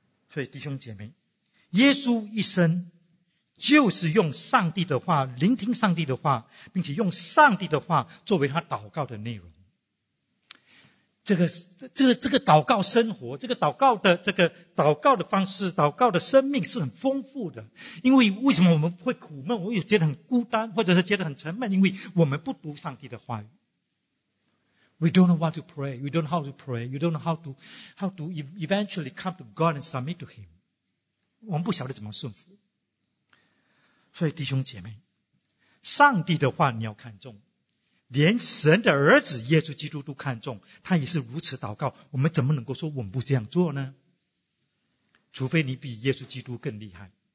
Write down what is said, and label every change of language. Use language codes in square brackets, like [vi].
[zh] 所以弟兄姐妹，耶稣一生就是用上帝的话，聆听上帝的话，并且用上帝的话作为他祷告的内容。这个祷告生活，这个祷告的这个祷告的方式，祷告的生命是很丰富的。因为为什么我们会苦闷，我也觉得很孤单，或者是觉得很沉闷，因为我们不读上帝的话语。 [en] We don't know what to pray. We don't know how to pray. You don't know how to eventually come to God and submit to Him. [zh] 我们不晓得怎么顺服。所以弟兄姐妹，上帝的话你要看重，连神的儿子耶稣基督都看重，他也是如此祷告。我们怎么能够说我们不这样做呢？除非你比耶稣基督更厉害。